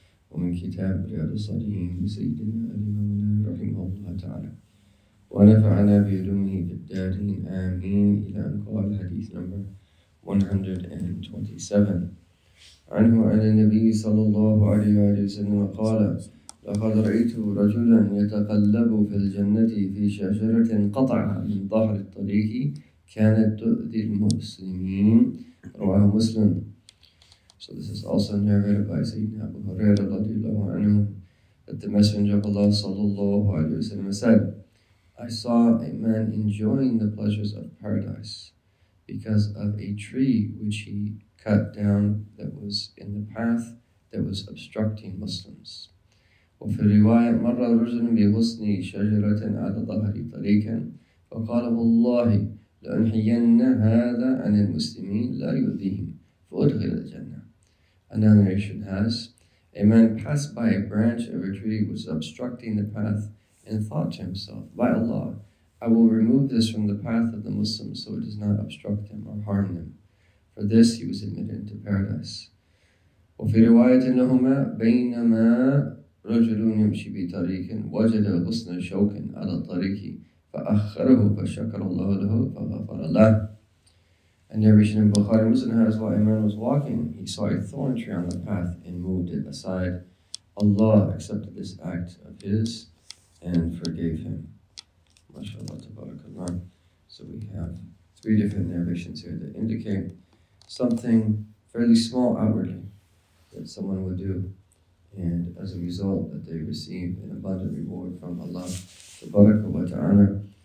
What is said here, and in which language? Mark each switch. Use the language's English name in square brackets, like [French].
[Arabic] ومن كتاب رياض الصالحين سيدنا الإمامنا رحمه الله تعالى ونفعنا بعلومه في الدارين آمين إلى أن قال حديث نمبر 127 عنه عن النبي صلى الله عليه وسلم قال لقد رأيت رجلا يتقلب في الجنة في شجرة قطع من ظهر الطريق كانت تؤذي المسلمين رواه مسلم. [English] So this is also narrated by Sayyidina Abu Huraira radiallahu anhu, that the Messenger of Allah sallallahu alayhi wa sallam said, I saw a man enjoying the pleasures of paradise because of a tree which he cut down that was in the path that was obstructing Muslims. [Arabic] وفي الرواية مر رجل بغصني شجرة على ظهر طريقا فقال والله لأنحين هذا عن المسلمين لا يؤذيهم فأدخل الجنة. [English] Another narration has, a man passed by a branch of a tree which was obstructing the path and thought to himself, by Allah, I will remove this from the path of the Muslims so it does not obstruct them or harm them. For this he was admitted into paradise. [Arabic] وفي رواية لهما بينما رجل يمشي بطريق وجد غصن شوك على الطريق فأخره فشكر الله له فغفر له. [English] And narration in Bukhari Muslim has, while a man was walking, he saw a thorn tree on the path and moved it aside. Allah accepted this act of his and forgave him. MashaAllah, tabarakAllah. So we have 3 different narrations here that indicate something fairly small outwardly that someone would do, and as a result that they receive an abundant reward from Allah, tabarakAllah wa ta'ala.